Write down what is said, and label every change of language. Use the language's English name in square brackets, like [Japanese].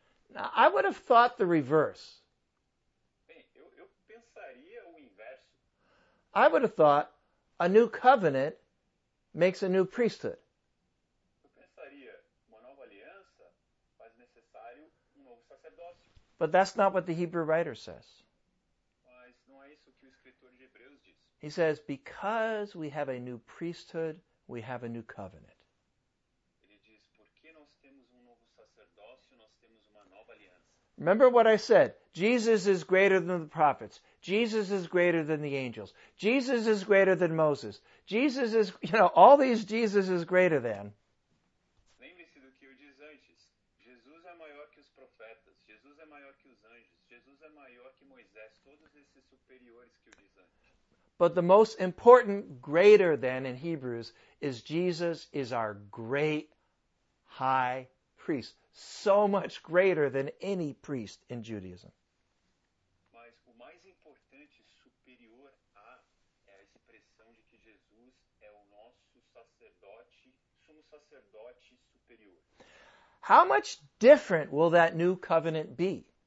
[English] Now, I would have thought the reverse. [Portuguese] Bem, eu pensaria o inverso. [English] I would have thought a new covenant makes a new priesthood. [Portuguese] Eu pensaria, uma nova aliança faz necessário novo sacerdócio. [English] But that's not what the Hebrew writer says. [Portuguese] Mas não é isso que o escritor de Hebreus diz. [English] He says, because we have a new priesthood, we have a new covenant. [Portuguese] Ele diz, porque nós temos novo sacerdócio, nós temos nova aliança. [English] Remember what I said. Jesus is greater than the prophets. Jesus is greater than the angels. Jesus is greater than Moses. Jesus is, all these Jesus is greater than. [Portuguese] Lembre-se do que eu disse antes. Jesus é maior que os profetas. Jesus é maior que os anjos. Jesus é maior que Moisés. Todos esses superiores que eu disse antes. [English] But the most important greater than in Hebrews is Jesus is our great high priest, so much greater than any priest in Judaism. [Portuguese] Mas o mais importante superior a é a expressão de que Jesus é o nosso sacerdote, sumo sacerdote superior. [English] How much different will that new covenant be?